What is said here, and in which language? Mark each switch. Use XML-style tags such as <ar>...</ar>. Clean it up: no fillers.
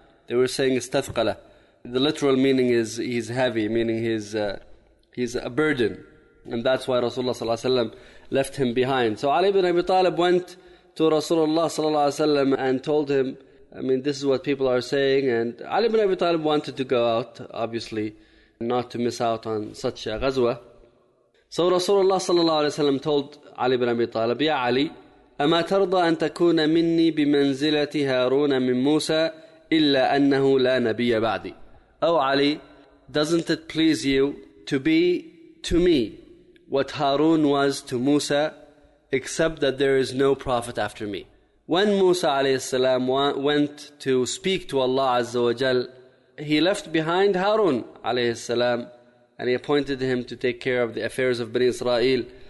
<en>They were saying istathqala. The literal meaning is he's heavy, meaning he's a burden. And that's why Rasulullah sallallahu alayhi wa sallam left him behind. So Ali ibn Abi Talib went to Rasulullah sallallahu alayhi wa sallam and told him, I mean, this is what people are saying. And Ali ibn Abi Talib wanted to go out, obviously, not to miss out on such a ghazwa. So Rasulullah sallallahu alayhi wa sallam told Ali ibn Abi Talib, Ya Ali,</en> <ar>أما ترضى أن تكون مني بمنزلة هارون من موسى إلا أنه لا نبي بعدي.</ar> <en>Oh Ali, doesn't it please you to be to me what Harun was to Musa, except that there is no prophet after me? When Musa alayhi salam went to speak to Allah Azza wa Jal, he left behind Harun alayhi salam, and he appointed him to take care of the affairs of Bani Israel.</en>